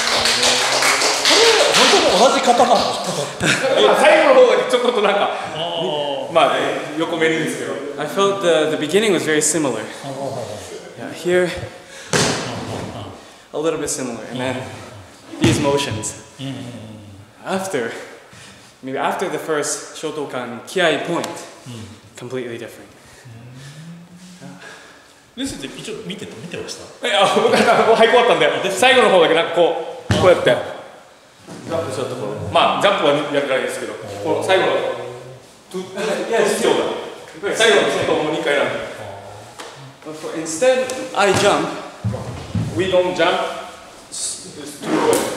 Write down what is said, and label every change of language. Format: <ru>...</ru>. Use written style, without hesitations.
<ja>拍手。本当同じ方なの？いや、最後の方がちょっとなんか、まあ、横目にですけど。</ja> <en>I felt the beginning was very similar. Yeah, here, a little bit similar. And then, these motions. After, maybe after the first Shotokan Kiai point, completely different.</en> <ja>先生って一応見てた、見てました。いや、僕なんか早く終わったんで、最後の方だけなんかこう、こうやってジャンプしたところ、まあジャンプはやるからですけど、この最後のトゥッ、いや、実況だ、最後のちょっともう2回なんで、</ja> <en>instead I jump, we don't jump. It's too good.</en>